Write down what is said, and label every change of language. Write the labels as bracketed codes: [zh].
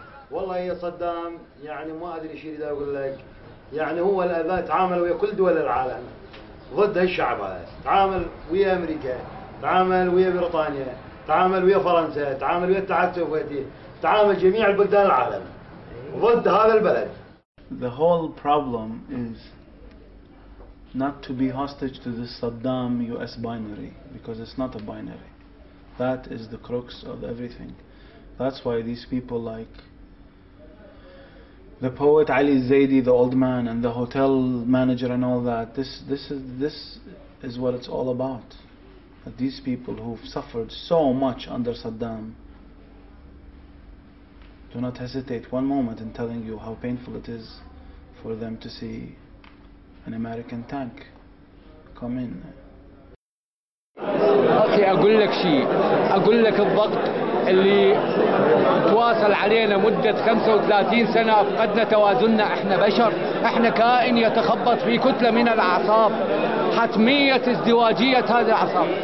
[ar] والله يا صدام يعني ما أدري إيش يريد أقول لك يعني هو الأذى تعامل ويا كل دول العالم ضد هالشعب هذا تعامل ويا أمريكا تعامل ويا بريطانيا تعامل ويا فرنسا تعامل ويا الاتحاد السوفيتي تعامل جميع البلدان العالم ضد هذا البلد. [en] The whole problem is not to be hostage to the Saddam US binary because it's not a binary. That is the crux of everything. That's why these people like the poet Ali Zaidi, the old man, and the hotel manager and all that, this is what it's all about. That these people who've suffered so much under Saddam do not hesitate one moment in telling you how painful it is for them to see an American tank come in. [ar] أخي أقول لك شيء، أقول لك الضغط اللي تواصل علينا مدة 35 سنة فقدنا توازننا. إحنا بشر، إحنا كائن يتخبط في كتلة من الأعصاب، حتمية ازدواجية هذه الأعصاب.